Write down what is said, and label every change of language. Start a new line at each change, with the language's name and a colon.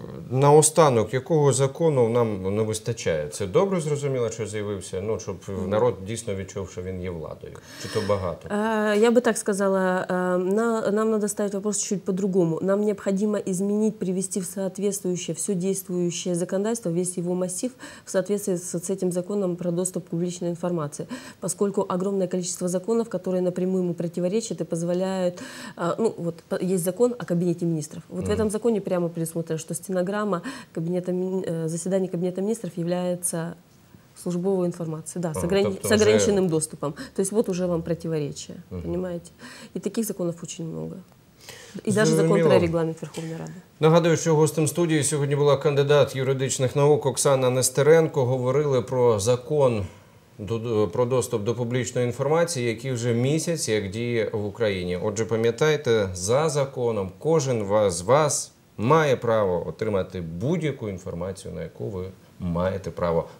Ukrainian: Наостанок, якого закону нам не вистачає? Це добре зрозуміло, що з'явився? Ну, щоб народ дійсно відчув, що він є владою. Чи то багато? Я би так сказала, нам треба ставити
Russian: вопрос чуть по-другому.
Ukrainian: Нам необхідно змінити,
Russian: привести в соответствующее все действующее законодательство, весь его массив в соответствии с этим законом про доступ к публичной информации. Поскольку огромное количество законов, которые напрямую ему противоречат и позволяют... вот есть закон о кабинете министров. Вот в этом законе прямо предусмотрено, что стенограмма заседания кабинета министров является службовой информацией, да, с ограниченным доступом. То есть вот уже вам противоречие, понимаете? И таких законов очень много.
Ukrainian: І навіть закон про регламент Верховної Ради. Нагадую, що гостем студії сьогодні була кандидат юридичних наук Оксана Нестеренко. Говорили про закон про доступ до публічної інформації, який вже місяць, як діє в Україні. Отже, пам'ятайте, за законом кожен з вас має право отримати будь-яку інформацію, на яку ви маєте право.